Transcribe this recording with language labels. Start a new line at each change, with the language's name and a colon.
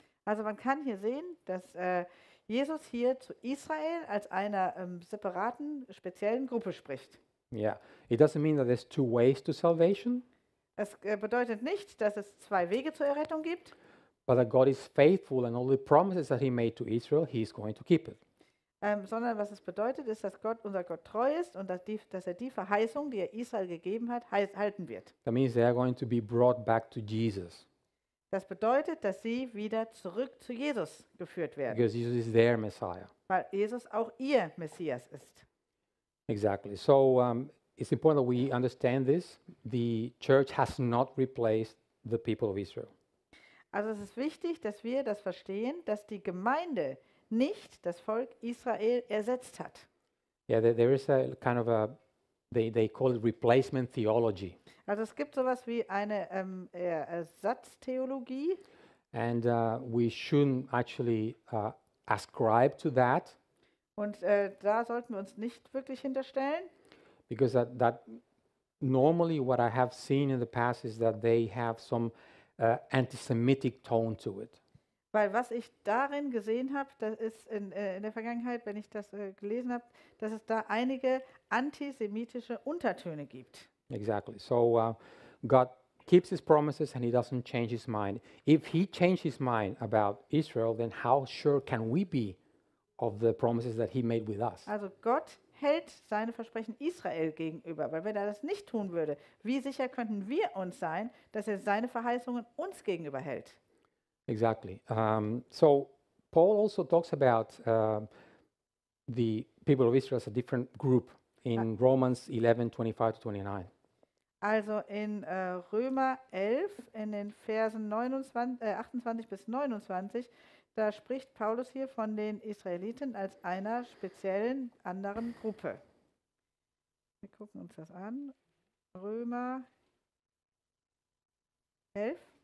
German: Also man kann hier sehen, dass Jesus hier zu Israel als einer separaten, speziellen Gruppe spricht.
English: Yeah, it doesn't mean that there's two ways to salvation.
German: Es bedeutet nicht, dass es zwei Wege zur Errettung gibt.
English: But that God is faithful and all the promises that he made to Israel, he is going to keep it.
German: Sondern was es bedeutet, ist, dass Gott, unser Gott, treu ist und dass er die Verheißung, die er Israel gegeben hat, halten wird.
English: That means they are going to be brought back to Jesus.
German: Das bedeutet, dass sie wieder zurück zu Jesus geführt werden.
English: Because Jesus is their Messiah.
German: Weil Jesus auch ihr Messias ist.
English: Exactly. So it's important that we understand this. The church has not replaced the people of Israel.
German: Also es ist wichtig, dass wir das verstehen, dass die Gemeinde nicht das Volk Israel ersetzt hat.
English: Yeah, there is a kind of a they call it replacement theology.
German: Also es gibt sowas wie eine Ersatztheologie.
English: And we shouldn't actually ascribe to that.
German: Und da sollten wir uns nicht wirklich hinterstellen.
English: Because that normally what I have seen in the past is that they have some anti-Semitic tone to it.
German: Weil was ich darin gesehen habe, das ist in der Vergangenheit, wenn ich das gelesen habe, dass es da einige antisemitische Untertöne gibt.
English: Exactly. So God keeps his promises and he doesn't change his mind. If he changed his mind about Israel, then how sure can we be of the promises that he made with us?
German: Also Gott hält seine Versprechen Israel gegenüber, weil wenn er das nicht tun würde, wie sicher könnten wir uns sein, dass er seine Verheißungen uns gegenüber hält?
English: Exactly. So Paul also talks about the people of Israel as a different group in Romans 11, 25 to 29.
German: Also in Römer 11, in den Versen 28 bis 29, da spricht Paulus hier von den Israeliten als einer speziellen anderen Gruppe. Wir gucken uns das an. Römer 11.